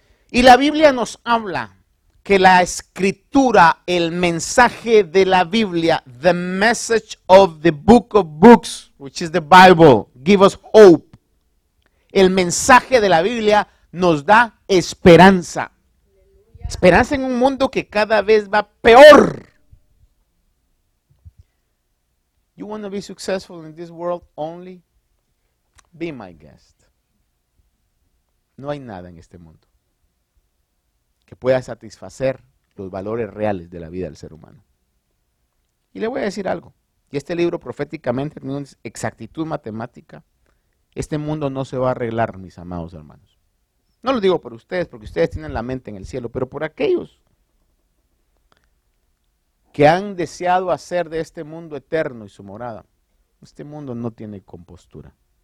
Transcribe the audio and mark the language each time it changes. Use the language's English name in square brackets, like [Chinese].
[Spanish] Y la Biblia nos habla que la escritura, el mensaje de la Biblia, [English] the message of the book of books, which is the Bible, give us hope. [Spanish] El mensaje de la Biblia nos da esperanza. Esperanza en un mundo que cada vez va peor. [English] You want to be successful in this world only? Be my guest. [Spanish] No hay nada en este mundo que pueda satisfacer los valores reales de la vida del ser humano. Y le voy a decir algo. Y este libro proféticamente tiene una exactitud matemática. Este mundo no se va a arreglar, mis amados hermanos. No lo digo por ustedes, porque ustedes tienen la mente en el cielo, pero por aquellos que han deseado hacer de este mundo eterno y su morada, este mundo no tiene compostura.